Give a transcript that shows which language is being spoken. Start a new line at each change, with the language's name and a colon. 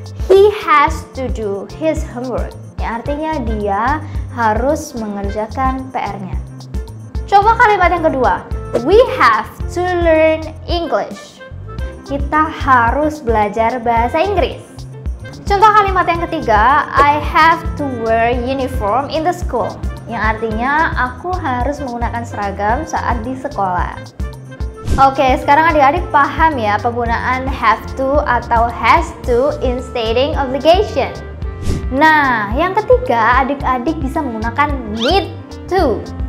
English: He has to do his homework.
Indonesian: Yang artinya dia harus mengerjakan PR-nya. Coba kalimat yang kedua.
English: We have to learn English.
Indonesian: Kita harus belajar bahasa Inggris. Contoh kalimat yang ketiga.
English: I have to wear uniform in the school.
Indonesian: Yang artinya aku harus menggunakan seragam saat di sekolah. Oke, sekarang adik-adik paham ya penggunaan have to atau has to
English: in stating obligation.
Indonesian: Nah, yang ketiga, adik-adik bisa menggunakan need to.